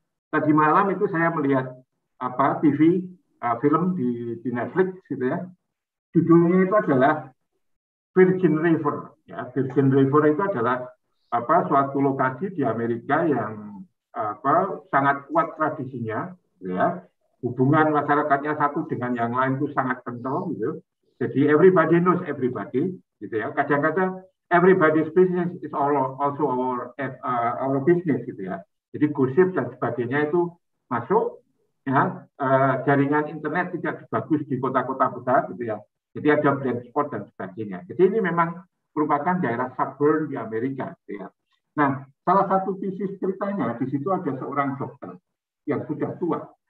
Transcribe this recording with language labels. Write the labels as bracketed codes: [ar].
[id] tadi malam itu saya melihat apa TV film di Netflix gitu ya, judulnya itu adalah Virgin River ya. Virgin River itu adalah apa suatu lokasi di Amerika yang apa sangat kuat tradisinya ya, hubungan masyarakatnya satu dengan yang lain itu sangat kental gitu, jadi [en] everybody knows everybody [id] gitu ya. Kadang-kadang [en] everybody's business is also our business [id] gitu ya. Jadi gosip dan sebagainya itu masuk ya, jaringan internet tidak sebagus di kota-kota besar gitu ya. Jadi ada blind spot dan sebagainya. Jadi ini memang merupakan daerah suburb di Amerika gitu ya. Nah, salah satu tesis ceritanya di situ ada seorang dokter yang sudah tua.